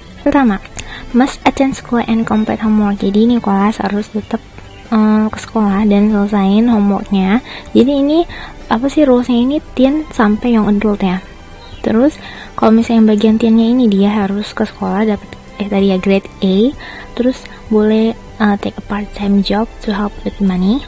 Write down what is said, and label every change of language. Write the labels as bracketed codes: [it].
[en] Pertama, must attend school and complete homework. [id] Jadi Nicholas harus tetap ke sekolah dan selesain homeworknya. Jadi ini apa sih rulesnya, ini teen sampai yang adult ya. Terus kalau misalnya bagian teennya ini dia harus ke sekolah dapat tadi ya grade A. Terus boleh [en] take a part time job to help with money.